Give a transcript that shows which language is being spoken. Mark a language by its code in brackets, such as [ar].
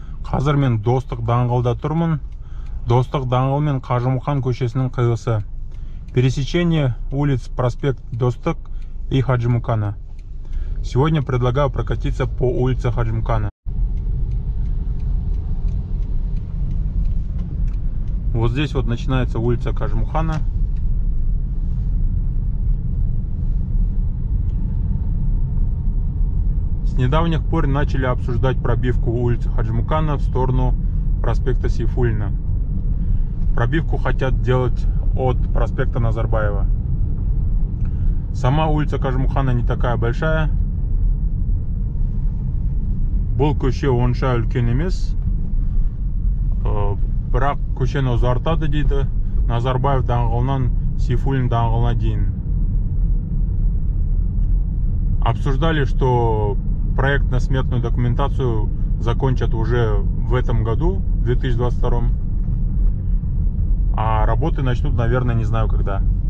[kk] Қазір мен Достық даңғылда тұрмын. Достық даңғылы мен Қажымұқан көшесінің қиылысы. [ru] Пересечение улиц проспект Достық и Хаджимукана. Сегодня предлагаю прокатиться по улице Хаджимукана. Вот здесь вот начинается улица Хаджимукана. С недавних пор начали обсуждать пробивку улицы Хаджимукана в сторону проспекта Сейфуллина. Пробивку хотят делать от проспекта Назарбаева. Сама улица Хаджимукана не такая большая. [kk] Бұл көше онша үлкен емес. Бірақ көшені ұзартады дейді. Назарбаев даңғылынан Сейфуллин даңғылына дейін. [ru] Обсуждали, что проектно-сметную документацию закончат уже в этом году, в 2022, а работы начнут, наверное, не знаю когда.